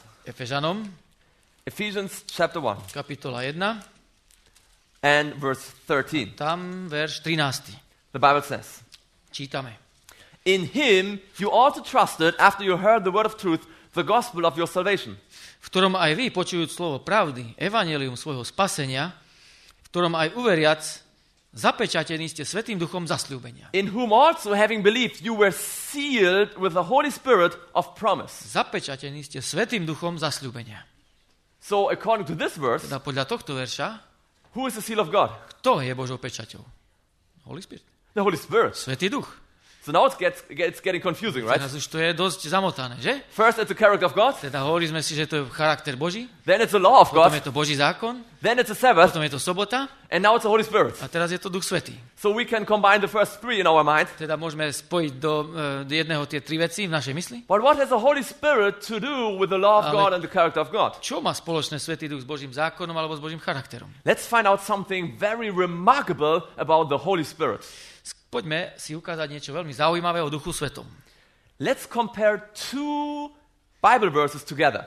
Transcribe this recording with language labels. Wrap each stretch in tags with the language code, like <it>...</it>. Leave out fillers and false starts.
<sk>Efežanom.</sk> <en>Ephesians chapter 1.</en> <sk>Kapitola 1.</sk> <en>And verse 13.</en> <sk>Tam verš 13.</sk> <en>The Bible says.</en> <sk>Čítame.</sk> <en>In him you also trusted after you heard the word of truth, the gospel of your salvation.</en> <sk>V ktorom aj vy, počujúc slovo pravdy, evanjelium svojho spasenia, v ktorom aj uveriac, zapečatení ste Svätým Duchom zasľúbenia.</sk> <en>In whom also having believed you were sealed with the Holy Spirit of promise.</en> <sk>Zapečatení ste Svätým Duchom zasľúbenia.</sk> <en>So according to this verse,</en> <sk>teda podľa tohto verša,</sk> <en>Who is the seal of God?</en> <sk>Kto je Božou pečaťou?</sk> <en>Holy Spirit. The Holy Spirit.</en> <sk>Svätý Duch.</sk> <en>So now it's getting confusing, right?</en> <sk>Teraz už to je dosť zamotané, že?</sk> <en>First it's the character of God.</en> <sk>Teda hovorili sme si, že to je charakter Boží.</sk> <en>Then it's the law of God.</en> <sk>Potom je to Boží zákon.</sk> <en>Then it's the Sabbath.</en> <sk>Potom je to sobota.</sk> <en>And now it's the Holy Spirit.</en> <sk>A teraz je to Duch Svätý.</sk> <en>So we can combine the first three in our mind.</en> <sk>Teda môžeme spojiť do jedného tie tri veci v našej mysli.</sk> <en>But what has the Holy Spirit to do with the law of God and the character of God?</en> <sk>Čo má spoločné Svätý Duch s Božím zákonom alebo s Božím charakterom?</sk> <en>Let's find out something very remarkable about the Holy Spirit.</en> <sk>Poďme si ukázať niečo veľmi zaujímavé o Duchu Svätom.</sk> <en>Let's compare two Bible verses together.</en>